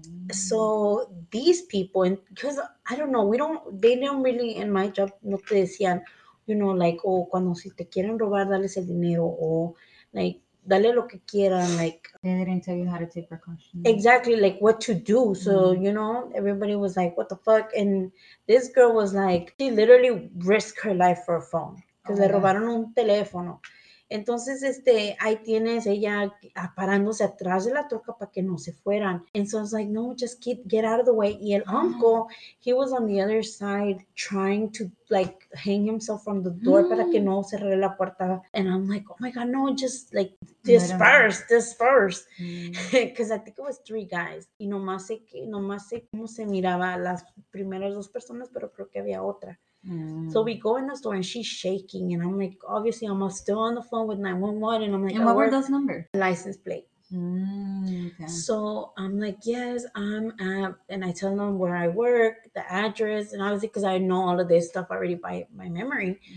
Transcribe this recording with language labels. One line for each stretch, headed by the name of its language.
English: So these people, and because I don't know, they don't really, in my job,
Spanish: no te decían,
English: you know, like, oh,
Spanish: cuando si te quieren robar, dale ese dinero,
English: or like,
Spanish: dale lo que quieran,
English: like. They didn't tell you how to take precautions. Exactly, like, what to do. So, you know, everybody was like, what the fuck? And this girl was like, she literally risked her life for a phone. Because
Spanish: le robaron un teléfono. Entonces, ahí tienes ella parándose atrás de la troca para que no se fueran.
English: And so I was like, no, just get out of the way.
Spanish: Y el
English: uncle, he was on the other side trying to, like, hang himself from the door
Spanish: para que no cerrara la puerta.
English: And I'm like, oh, my God, no, just, like, disperse. Because I think it was three guys.
Spanish: Y nomás sé cómo se miraba las primeras dos personas, pero creo que había otra.
English: So we go in the store and she's shaking and I'm like, obviously I'm still on the phone with 911 and I'm like, and what were those numbers? License plate. So I'm like, yes, I'm at, and I tell them where I work, the address, and obviously because I know all of this stuff already by my memory.